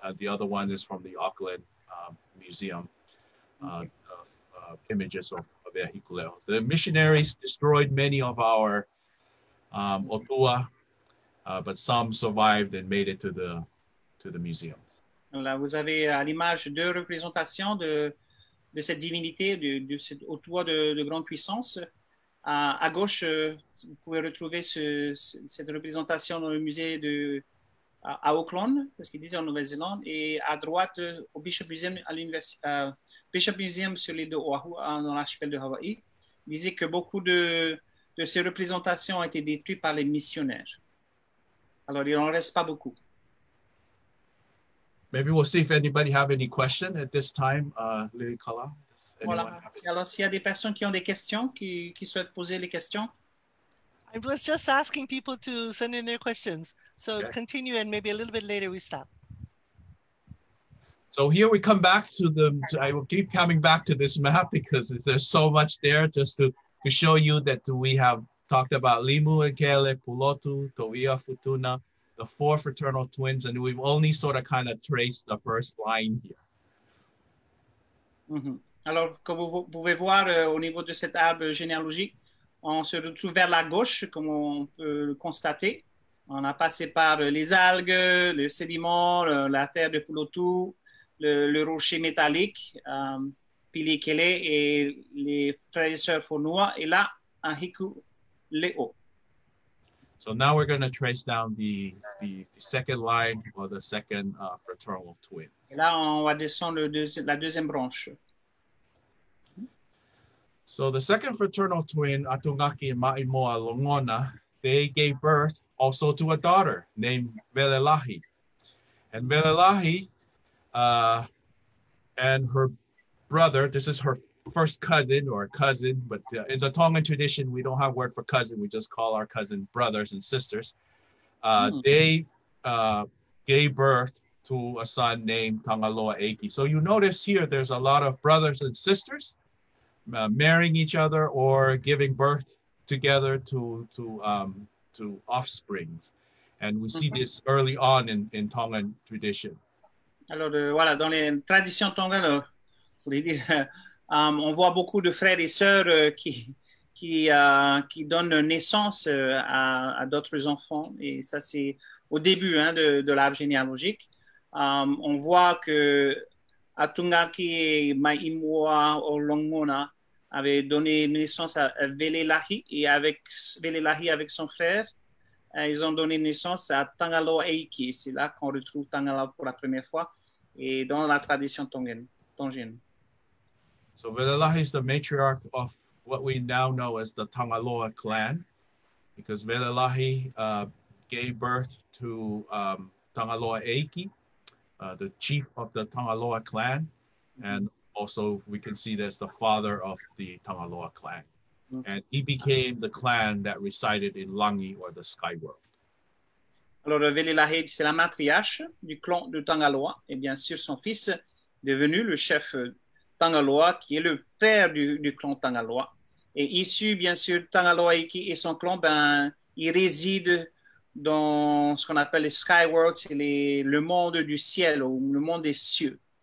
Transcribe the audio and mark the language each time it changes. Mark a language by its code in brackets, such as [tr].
[en] The other one is from the Auckland Museum. Images of Havea Hikuleʻo. The missionaries destroyed many of our Otua, but some survived and made it to the museum. [fr] Là, vous avez à l'image deux représentations de cette divinité, de cet Otua de grande puissance. À gauche, vous pouvez retrouver cette représentation dans le musée à Auckland, parce qu'ils disent en Nouvelle-Zélande, et à droite, au Bishop Museum, à l'université, Bishop Museum sur l'île de Oahu, dans l'archipel de Hawaï, disait que beaucoup de ces représentations ont été détruites par les missionnaires. Alors, il n'en reste pas beaucoup. [en] Maybe we'll see if anybody have any question at this time, Lilikalā. [fr] Voilà. Alors, s'il y a des personnes qui ont des questions, qui souhaitent poser les questions. [en] I was just asking people to send in their questions. So okay. Continue, and maybe a little bit later we stop. So here we come back to I will keep coming back to this map because there's so much there just to show you that we have talked about Limu and Kele, Pulotu, To'ia, Futuna, the four fraternal twins, and we've only sort of kind of traced the first line here. Mm-hmm. [fr] Alors, comme vous pouvez voir au niveau de cet arbre généalogique, on se retrouve vers la gauche, comme on peut le constater. On a passé par les algues, le sédiment, la terre de Pulotu, le rocher métallique, Pilikele et les frères et sœurs Fonua, et là, un Hikuleʻo. [en] So now we're going to trace down the second line or the second fraternal twin. [fr] Et là, on va descendre la deuxième branche. [en] So the second fraternal twin, Atungaki Maʻimoa Longona, they gave birth also to a daughter named Welelahi. And Welelahi and her brother, this is her first cousin or cousin, but in the Tongan tradition, we don't have word for cousin. We just call our cousin brothers and sisters. They gave birth to a son named Tangaloa Aiki. So you notice here, there's a lot of brothers and sisters marrying each other or giving birth together to offsprings. And we see this early on in Tongan tradition. [fr] Alors, voilà, dans les traditions Tongan, vous voulez dire, on voit beaucoup de frères et sœurs qui donnent naissance à d'autres enfants. Et ça, c'est au début hein, de l'arbre généalogique. On voit que Atungaki et Maʻimoa Olongona avait donné naissance à Welelahi et avec son frère, Ils ont donné naissance à Tangaloa Eiki. C'est là qu'on retrouve Tangaloa pour la première fois et dans la tradition tongienne. [en] So Velelahi is the matriarch of what we now know as the Tangaloa clan, because Velelahi gave birth to Tangaloa Eiki, the chief of the Tangaloa clan, and also we can see that's the father of the Tangaloa clan. And he became the clan that resided in Langi or the Sky World. [fr] Alors Velelahi, c'est la matriarche du clan de Tangaloa, et bien sûr son fils devenu le chef Tangaloa, qui est le père du clan Tangaloa. Et issu, bien sûr, Tangaloa Eiki et son clan, ben, ils résident dans ce qu'on appelle les Sky Worlds, c'est le monde du ciel ou le monde des cieux.